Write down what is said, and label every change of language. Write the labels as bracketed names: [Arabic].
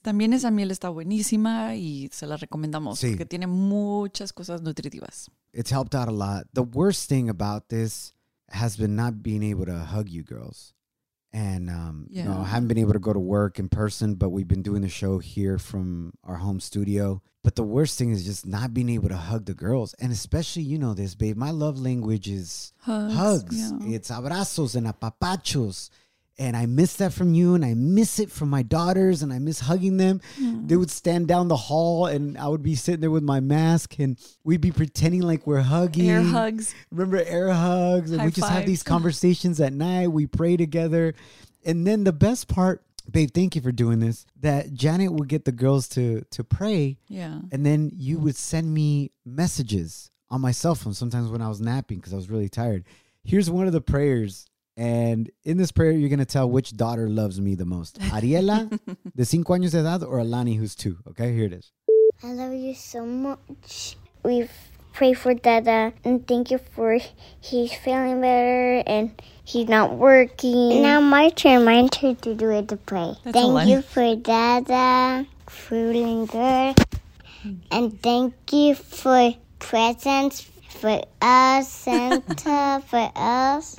[Spanish] También esa miel está buenísima y se la recomendamos. Sí. Porque tiene muchas cosas nutritivas. [English] It's helped out a lot. The worst thing about this has been not being able to hug you girls. And you know, I haven't been able to go to work in person, but we've been doing the show here from our home studio. But the worst thing is just not being able to hug the girls. And especially, you know this, babe, my love language is hugs. It's abrazos and apapachos. And I miss that from you, and I miss it from my daughters, and I miss hugging them. They would stand down the hall, and I would be sitting there with my mask, and we'd be pretending like we're hugging. Air hugs. Remember air hugs? And we just have these conversations at night. We pray together. And then the best part, babe, thank you for doing this, that Janet would get the girls to pray. Yeah. And then you would send me messages on my cell phone, sometimes when I was napping because I was really tired. Here's one of the prayers. And in this prayer, you're going to tell which daughter loves me the most. Ariela, [Spanish] de 5 años de edad, [English] or Alani, who's 2. Okay, here it is. I love you so much. We pray for Dada. And thank you for he's feeling better and he's not working. Now my turn to do it to pray. That's thank you for Dada, feeling good. And thank you for presents. For us, Santa, for us.